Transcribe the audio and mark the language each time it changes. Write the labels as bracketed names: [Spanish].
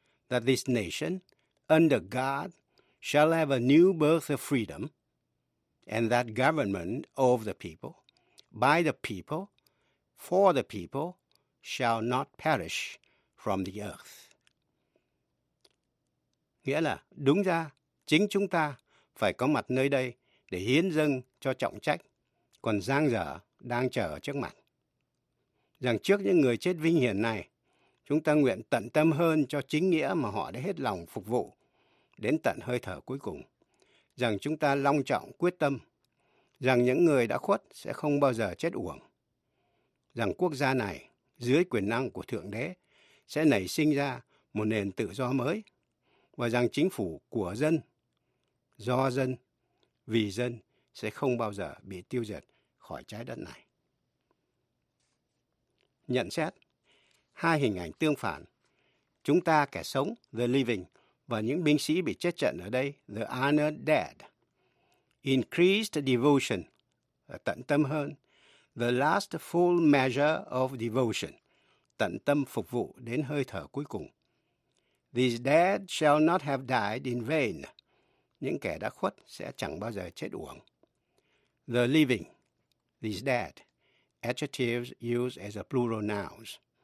[English] That this nation, under God, shall have a new birth of freedom, and that government of the people, by the people, for the people, shall not perish from the earth. [Vietnamese] Nghĩa là, đúng ra, chính chúng ta phải có mặt nơi đây để hiến dâng cho trọng trách, còn giang dở đang chờ trước mặt. Rằng trước những người chết vinh hiển này, chúng ta nguyện tận tâm hơn cho chính nghĩa mà họ đã hết lòng phục vụ, đến tận hơi thở cuối cùng, rằng chúng ta long trọng quyết tâm, rằng những người đã khuất sẽ không bao giờ chết uổng, rằng quốc gia này, dưới quyền năng của Thượng Đế, sẽ nảy sinh ra một nền tự do mới, và rằng chính phủ của dân, do dân, vì dân sẽ không bao giờ bị tiêu diệt khỏi trái đất này. Nhận xét, hai hình ảnh tương phản, chúng ta kẻ sống, the living, và những binh sĩ bị chết trận ở đây, the honored dead. Increased devotion, tận tâm hơn. [English] The last full measure of devotion, [Vietnamese] tận tâm phục vụ đến hơi thở cuối cùng. [English] These dead shall not have died in vain. [Vietnamese] Những kẻ đã khuất sẽ chẳng bao giờ chết uổng. [English] The living, these dead, adjectives used as a plural nouns.